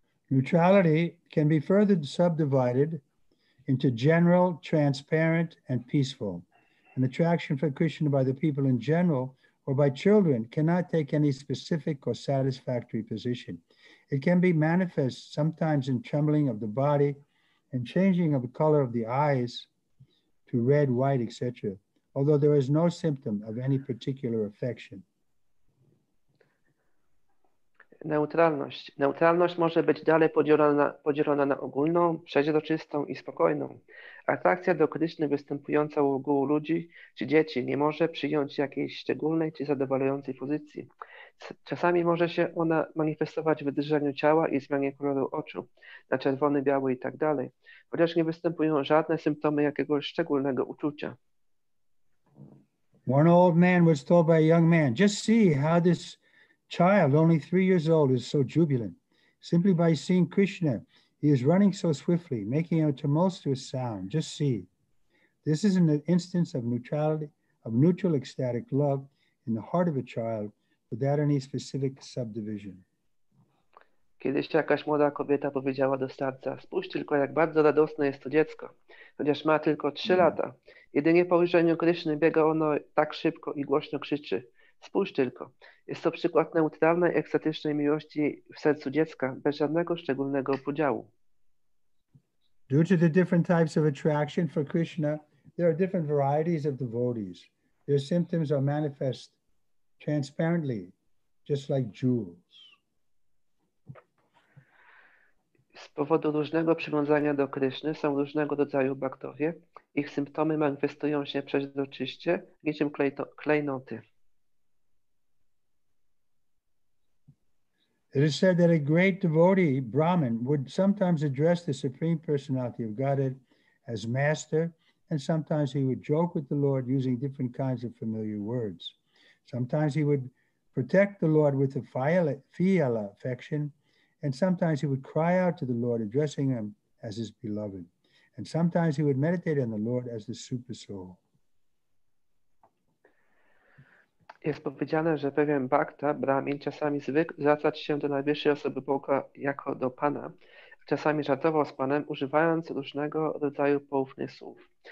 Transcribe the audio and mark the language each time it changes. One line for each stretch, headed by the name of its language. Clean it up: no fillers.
English: Neutrality can be further subdivided into general, transparent and peaceful. An attraction for Krishna by the people in general or by children cannot take any specific or satisfactory position. It can be manifest sometimes in trembling of the body and changing of the color of the eyes to red, white, etc., although there is no symptom of any particular affection.
Polish: Neutralność. Neutralność może być dalej podzielona na ogólną, przeźroczystą i spokojną. Atrakcja do Kryszny występująca u ogółu ludzi czy dzieci nie może przyjąć jakiejś szczególnej czy zadowalającej pozycji. Czasami może się ona manifestować w drżeniu ciała i zmianie koloru oczu na czerwony, biały itd., chociaż nie występują żadne symptomy jakiegoś szczególnego uczucia.
English: One old man was told by a young man, just see how this child, only 3 years old, is so jubilant. Simply by seeing Krishna, he is running so swiftly, making a tumultuous sound. Just see. This is an instance of neutrality, of neutral ecstatic love in the heart of a child without any specific subdivision.
Polish: Kiedyś jakaś młoda kobieta powiedziała do starca, spójrz tylko, jak bardzo radosne jest to dziecko, chociaż ma tylko 3 lata. Jedynie po ujrzeniu Kryszny biega ono tak szybko i głośno krzyczy. Spójrz tylko. Jest to przykład neutralnej, ekstatycznej miłości w sercu dziecka, bez żadnego szczególnego podziału.
English: Due to the different types of attraction for Krishna, there are different varieties of devotees. Their symptoms are manifest transparently, just like jewels.
Polish: Z powodu różnego przywiązania do Kryszny są różnego rodzaju baktowie. Ich symptomy manifestują się przezroczyście, niczym klejnoty.
English: It is said that a great devotee, Brahman, would sometimes address the Supreme Personality of Godhead as master, and sometimes he would joke with the Lord using different kinds of familiar words. Sometimes he would protect the Lord with a fiala affection, and sometimes he would cry out to the Lord, addressing him as his beloved. And sometimes he would meditate on the Lord as the super soul.
Polish: Jest powiedziane, że pewien bhakta, brahmin, czasami zwykł zwracać się do najwyższej osoby Boga jako do Pana, czasami żartował z Panem, używając różnego rodzaju poufnych słów.